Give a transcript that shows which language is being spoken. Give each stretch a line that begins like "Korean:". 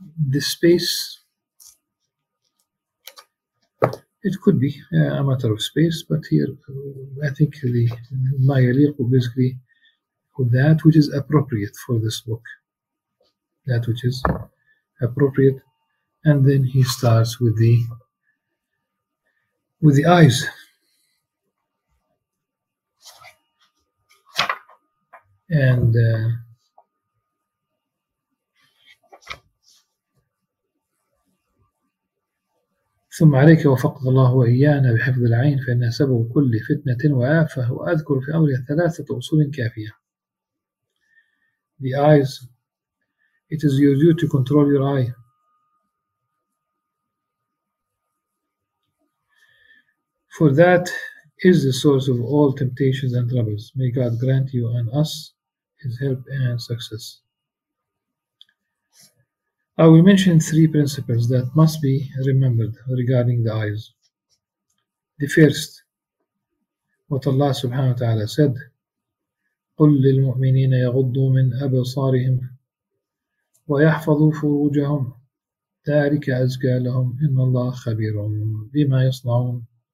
English: The space, it could be a matter of space, but here I think the ma yaliq basically that which is appropriate for this book, that which is appropriate. And then he starts with the eyes.
Arabic: And ثم عليك وفق الله وإيانا بحفظ العين فإنها سبب كل فتنة وآفة وأذكر في أمرها ثلاثة أصول كافية.
English: The eyes, it is your duty to control your eye. For that is the source of all temptations and troubles. May God grant you and us His help and success. I will mention three principles that must be remembered regarding the eyes. The first, what Allah subhanahu wa ta'ala said,
Arabic: قُلْ لِلْمُؤْمِنِينَ يَغُضُّوا مِنْ أَبْصَارِهِمْ وَيَحْفَظُوا فُرُوجَهُمْ ذَلِكَ أَزْكَى لَهُمْ إِنَّ اللَّهَ خَبِيرٌ بِمَا يَصْنَعُونَ.